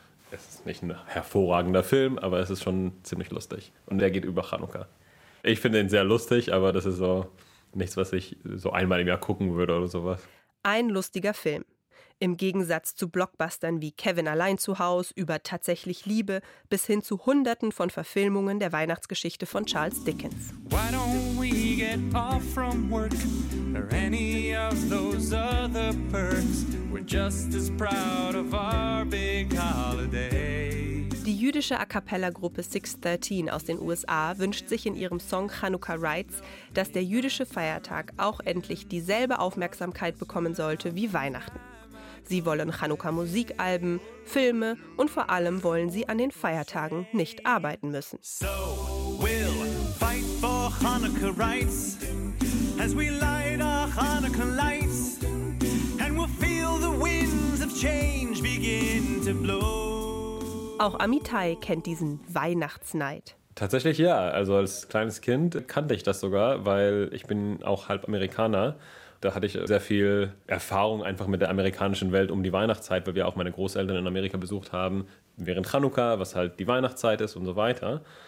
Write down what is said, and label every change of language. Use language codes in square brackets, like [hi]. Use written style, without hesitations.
[de] Es ist nicht ein hervorragender Film, aber es ist schon ziemlich lustig. Und der geht über Chanukka. Ich finde ihn sehr lustig, aber das ist so nichts, was ich so einmal im Jahr gucken würde oder sowas. Ein lustiger Film. Im Gegensatz zu Blockbustern wie Kevin allein zu Haus, über Tatsächlich Liebe, bis hin zu hunderten von Verfilmungen der Weihnachtsgeschichte von Charles Dickens. [en] Why don't we get off from work or any of those other perks? We're just as proud of our big holiday. [de] Die jüdische A Cappella-Gruppe 613 aus den USA wünscht sich in ihrem Song Chanukah Rites, dass der jüdische Feiertag auch endlich dieselbe Aufmerksamkeit bekommen sollte wie Weihnachten. Sie wollen Chanukka-Musikalben, Filme und vor allem wollen sie an den Feiertagen nicht arbeiten müssen. [en] So we'll fight for Chanukah rights as we light our Chanukah lights and we'll feel the winds of change begin to blow. [de] Auch Amitai kennt diesen Weihnachtsneid. Tatsächlich ja. Also als kleines Kind kannte ich das sogar, weil ich bin auch halb Amerikaner. Da hatte ich sehr viel Erfahrung einfach mit der amerikanischen Welt um die Weihnachtszeit, weil wir auch meine Großeltern in Amerika besucht haben während Chanukka, was halt die Weihnachtszeit ist und so weiter.